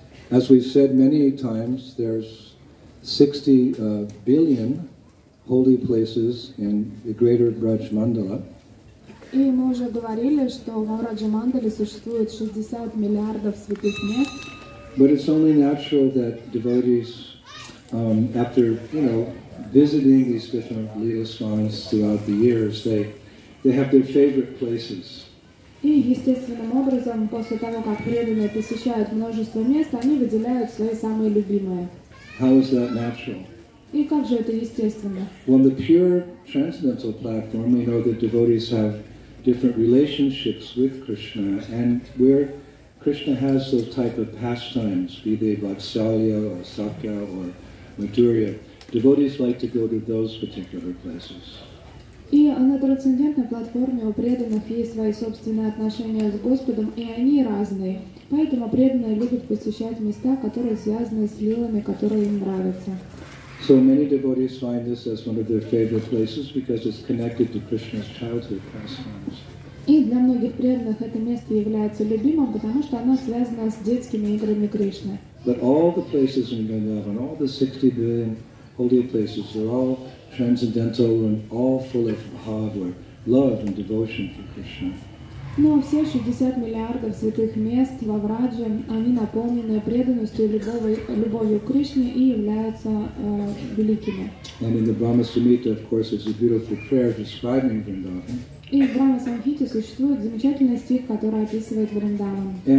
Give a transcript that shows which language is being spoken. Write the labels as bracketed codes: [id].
[en] As we've said many times, there's 60 billion holy places in the greater Braj Mandala. [ru] И мы уже говорили, что во Брадж Мандале существует 60 миллиардов святых мест. [en] But it's only natural that devotees, after, you know, visiting these different Leelasthanas throughout the years, they have their favorite places. [ru] И естественным образом, после того, как преданные посещают множество мест, они выделяют свои самые любимые. [en] How is that natural? [ru] И как же это естественно? [en] On the pure transcendental platform, we know that devotees have different relationships with Krishna, and where Krishna has those type of pastimes, be they Vatsalya or Sakya or Madhurya, devotees like to go to those particular places. [ru] И на трансцендентной платформе у преданных есть свои собственные отношения с Господом, и они разные. Поэтому преданные любят посещать места, которые связаны с лилами, которые им нравятся. [en] So many devotees find this as one of their favorite places because it's connected to Krishna's childhood pastimes. [ru] И для многих преданных это место является любимым, потому что оно связано с детскими играми Кришны. [en] But all the places in Vrindavan, all the 60 billion holy places, they're all transcendental and all full of bhava, love and devotion for Krishna. [ru] Но все 60 миллиардов святых мест во Врадже, они наполнены преданностью любовью к Кришне и являются великими. [en] And in the Brahma Samhita, of course, it's a beautiful prayer describing Vrindavan. [ru] И в Брахма Самхите существует замечательный стих, который описывает Вриндаван.